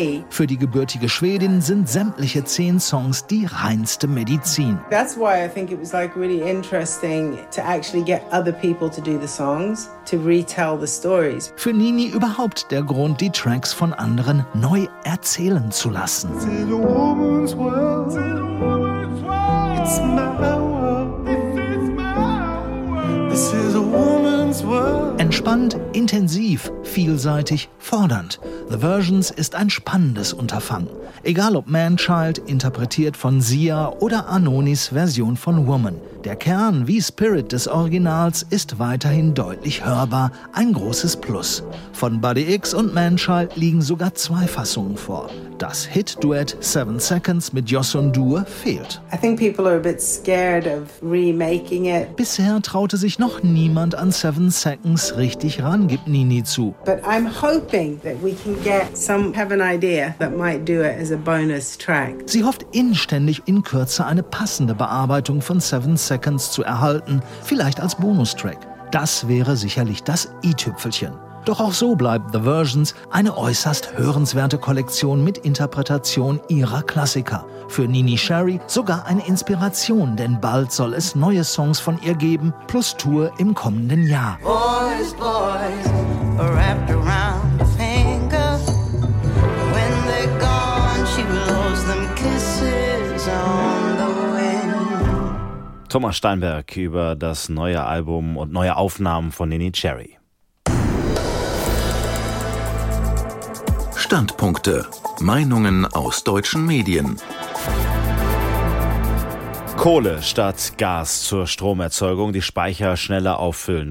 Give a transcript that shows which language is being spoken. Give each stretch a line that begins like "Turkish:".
German: Für die gebürtige Schwedin sind sämtliche 10 Songs die reinste Medizin.
English: That's why I think it was like really interesting to actually get other people to do the songs, to retell the stories.
German: Für Nini überhaupt der Grund, die Tracks von anderen neu erzählen zu lassen. Entspannt, intensiv, vielseitig, fordernd. The Versions ist ein spannendes Unterfangen. Egal ob Manchild, interpretiert von Sia, oder Anonis Version von Woman. Der Kern wie Spirit des Originals ist weiterhin deutlich hörbar. Ein großes Plus. Von Buddy X und Manchild liegen sogar 2 Fassungen vor. Das Hit-Duett 7 Seconds mit Yosun Dur fehlt.
English: I think people are a bit scared of remaking it.
German: Bisher traute sich noch niemand an 7 Seconds richtig ran, gibt Nini zu.
English: But I'm hoping that we can get some, have an idea that might do it as a bonus track.
German: Sie hofft inständig, in Kürze eine passende Bearbeitung von 7 Seconds zu erhalten, vielleicht als Bonustrack. Das wäre sicherlich das i-Tüpfelchen. Doch auch so bleibt The Versions eine äußerst hörenswerte Kollektion mit Interpretation ihrer Klassiker. Für Nini Sherry sogar eine Inspiration, denn bald soll es neue Songs von ihr geben, plus Tour im kommenden Jahr.
English: Boys, boys, wrapped around a finger. When they're gone, she blows them kisses on the wind.
German: Thomas Steinberg über das neue Album und neue Aufnahmen von Nini Sherry. Standpunkte. Meinungen aus deutschen Medien. Kohle statt Gas zur Stromerzeugung, die Speicher schneller auffüllen.